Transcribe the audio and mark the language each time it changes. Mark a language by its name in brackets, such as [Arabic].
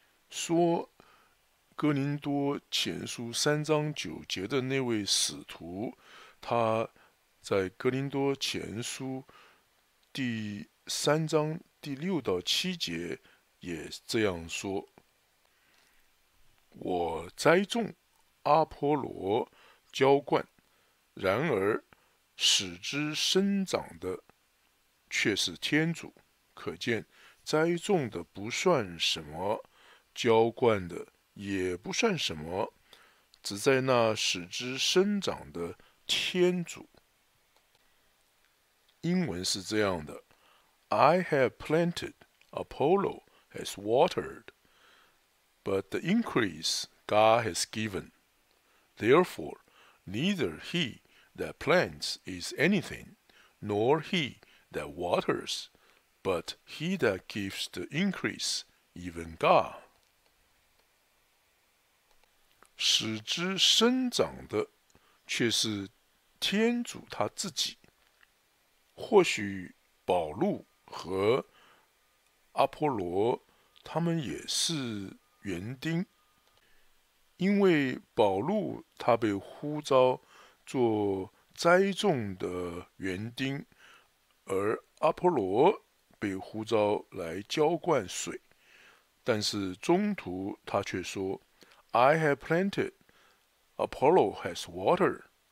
[Chinese] 说哥林多前书三章九节的那位使徒，他在哥林多前书第三章第六到七节也这样说：我栽种，阿波罗浇灌，然而使之生长的却是天主。可见栽种的不算什么，浇灌的也不算什么，只在那使之生长的天主。 [English] 英文是这样的：I have planted, Apollo has watered, but the increase God has given. Therefore, neither he that plants is anything, nor he that waters, but he that gives the increase, even God. [Chinese] 使之生长的却是天主他自己。或许保禄和阿波罗他们也是园丁，因为保禄他被呼召做栽种的园丁，而阿波罗被呼召来浇灌水，但是中途他却说 [English] I have planted, Apollo has watered.